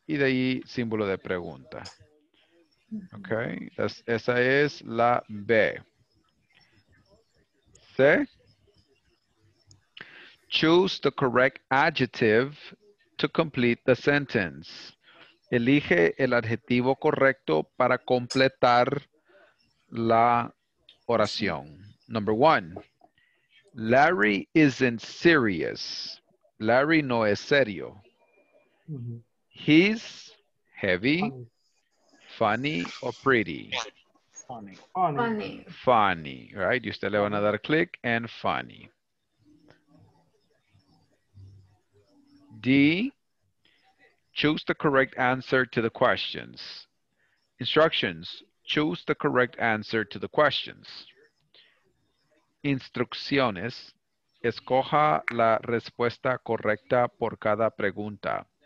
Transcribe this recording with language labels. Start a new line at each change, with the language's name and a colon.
Spanish: Y de ahí símbolo de pregunta. Okay. Esa es la B. C.
English: Choose the correct adjective to complete the sentence.
Spanish: Elige el adjetivo correcto para completar la oración.
English: Number one, Larry isn't serious.
Spanish: Larry no es serio.
English: He's heavy, funny, or pretty? Funny. Right?
Spanish: Y usted le van a dar click and funny.
English: D, choose the correct answer to the questions. Instructions, choose the correct answer to the questions.
Spanish: Instrucciones, escoja la respuesta correcta por cada pregunta.